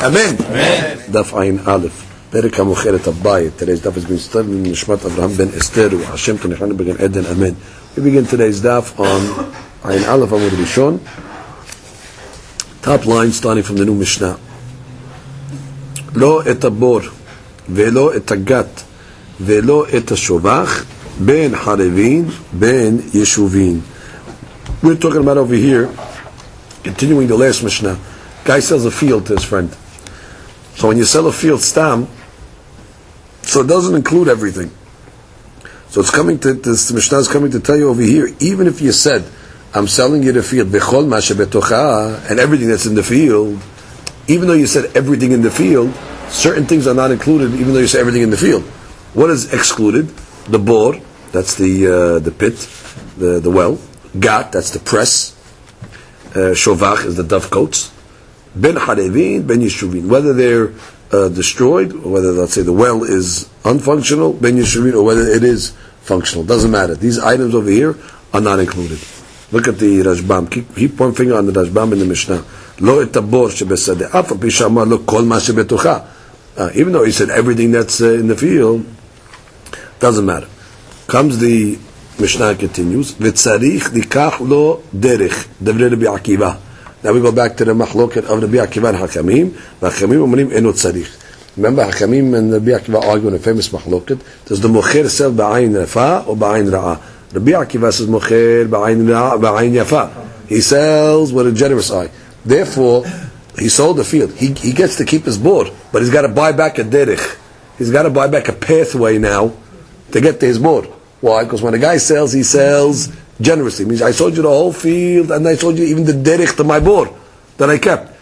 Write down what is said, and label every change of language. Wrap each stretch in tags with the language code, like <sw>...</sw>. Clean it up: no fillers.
<en>Amen. Amen. Daf Ayin Aleph. Perek HaMocheret HaBayit. Today's daf has been started in Nishmat Avraham Ben Esteru. Hashem Tonechanu Begin Eden. Amen. We begin today's daf on Ayin Aleph Amud Rishon. Top line starting from the new Mishnah.</en> <he>לא את הבור ולא את הגת ולא את השובח בין חרבין בין ישובין.</he> <en>We're talking about over here, continuing the last Mishnah. Guy sells a field to his friend. So when you sell a field stam, so it doesn't include everything. So it's coming to, this Mishnah is coming to tell you over here, even if you said, I'm selling you the field,</en> <he>בכל מה שבתוכה,</he> <en>and everything that's in the field, even though you said everything in the field, certain things are not included, even though you say everything in the field. What is excluded? The bor, that's the pit, the well. Gat, that's the press. Shovach is the dovecotes. Ben harevin, ben yeshuvin. Whether they're destroyed, or whether, let's say, the well is unfunctional, ben yeshuvin, or whether it is functional. Doesn't matter. These items over here are not included. Look at the Rashbam. Keep one finger on the Rashbam in the Mishnah.</en> <he>לא את הבור שבשדה, אף פי שאמר לא כל מה שבתוכה.</he> <en>Even though he said everything that's in the field, doesn't matter. Comes the Mishnah continues,</en> <he>וצריך לקח לו דרך, דברי רבי עקיבא.</he> <en>Now we go back to the מחלוקת of רבי עקיבא and החכמים,</en> <he>והחכמים אומרים אינו צריך.</he> <en>Remember, החכמים and רבי עקיבא argue in a famous מחלוקת, does the מוכר sell בעין רפה או בעין רעה?</en> <he>רבי עקיבא says מוכר בעין רעה, בעין יפה.</he> <en>He sells with a generous eye. Therefore, he sold the field. He gets to keep his board, but he's got to buy back a derech. He's got to buy back a pathway now to get to his board. Why? Because when a guy sells, he sells generously. It means I sold you the whole field, and I sold you even the derech to my board that I kept.</en>